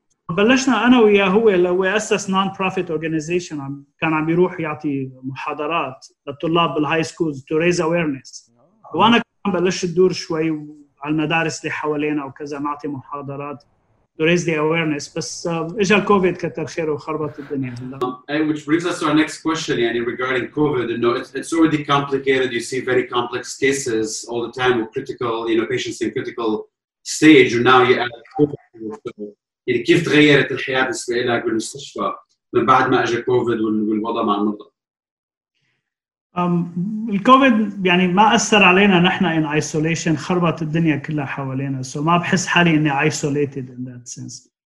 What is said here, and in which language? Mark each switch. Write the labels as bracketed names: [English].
[Arabic] بلشنا أنا وياه، هو أسس non-profit organization، كان عم يروح يعطي محاضرات للطلاب بالهاي سكولز [English] to raise awareness. [Arabic] وأنا كان بلش الدور شوي على المدارس اللي حوالينا وكذا، معطي محاضرات [English] to raise the awareness. [Arabic] بس إجا الكوفيد كتر خير وخربط الدنيا. [English] Which brings us to our next question [Arabic] يعني [English] regarding COVID. You know, it's already complicated. You see very complex cases all the time with critical, you know, patients in critical stage. And now you add COVID. [Arabic] يعني كيف تغيرت الحياة بالنسبة لك بالمستشفى من بعد ما أجى كوفيد والوضع مع المرضى؟ الكوفيد يعني ما أثر علينا نحن in isolation، خربت الدنيا كلها حوالينا، so ما بحس حالي إني [English] isolated in that sense.